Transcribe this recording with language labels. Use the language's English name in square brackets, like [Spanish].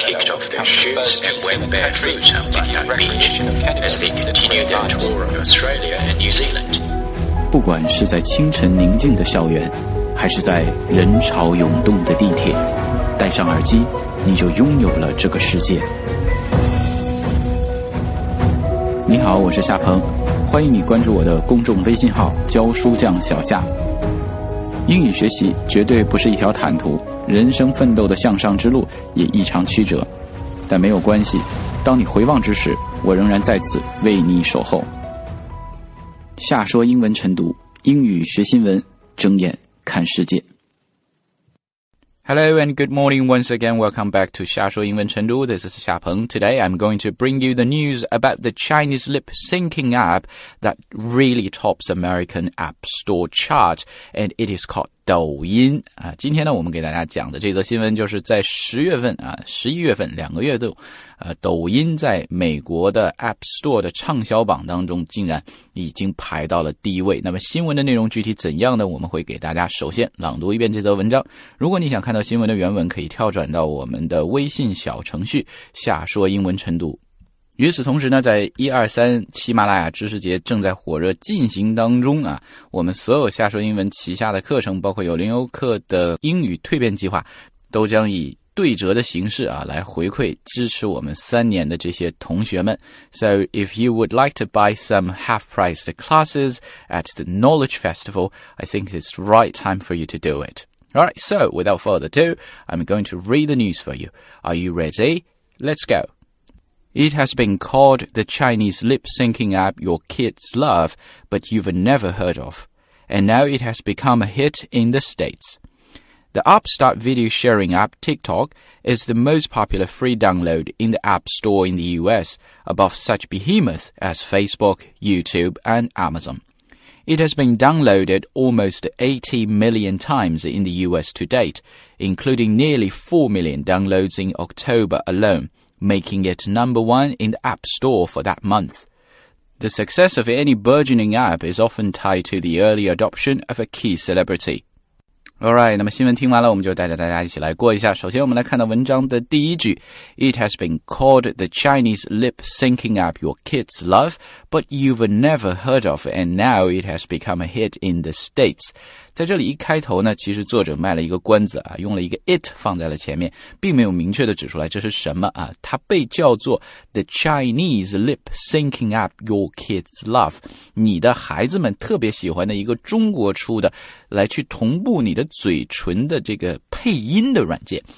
[English] kicked off their shoes and went barefoot on the unknown beach as they continued their tour of Australia and New Zealand. [Chinese] 不管是在清晨宁静的校园，还是在人潮涌动的地铁，戴上耳机，你就拥有了这个世界。你好，我是夏鹏，欢迎你关注我的公众微信号“教书匠小夏”。英语学习绝对不是一条坦途，人生奋斗的向上之路也异常曲折，但没有关系，当你回望之时，我仍然在此为你守候。夏说英文晨读，英语学新闻，睁眼看世界。 [English] Hello and good morning once again. Welcome back to 夏说英文晨读。This is 夏鹏. Today I'm going to bring you the news about the Chinese lip syncing app that really tops American App Store chart, and it is called 抖音。 [Chinese] 今天呢，我们给大家讲的这则新闻就是在11月份两个月度，抖音在美国的 App Store 的畅销榜当中竟然已经排到了第一位。那么新闻的内容具体怎样呢？我们会给大家首先朗读一遍这则文章。如果你想看到新闻的原文，可以跳转到我们的微信小程序下说英文晨读。与此同时呢，在123喜马拉雅知识节正在火热进行当中啊，我们所有下说英文旗下的课程，包括有零优课的英语蜕变计划，都将以对折的形式啊，来回馈支持我们3年的这些同学们。 [English] So if you would like to buy some half-priced classes at the Knowledge Festival, I think it's right time for you to do it. Alright, so without further ado, I'm going to read the news for you. Are you ready? Let's go. It has been called the Chinese lip-syncing app your kids love, but you've never heard of. And now it has become a hit in the States. The upstart video sharing app TikTok is the most popular free download in the App Store in the US, above such behemoths as Facebook, YouTube, and Amazon. It has been downloaded almost 80 million times in the US to date, including nearly 4 million downloads in October alone, making it number one in the App Store for that month. The success of any burgeoning app is often tied to the early adoption of a key celebrity. [Chinese] Alright, 那么新闻听完了，我们就带着大家一起来过一下。首先我们来看到文章的第一句。 [English] It has been called the Chinese lip syncing app your kids love, but you've never heard of, and now it has become a hit in the States. [Chinese] 在这里一开头呢，其实作者卖了一个关子啊，用了一个 it 放在了前面，并没有明确的指出来这是什么啊。它被叫做 [English] the Chinese lip syncing app your kids love, [Chinese] 你的孩子们特别喜欢的一个中国出的来去同步你的嘴唇的这个配音的软件。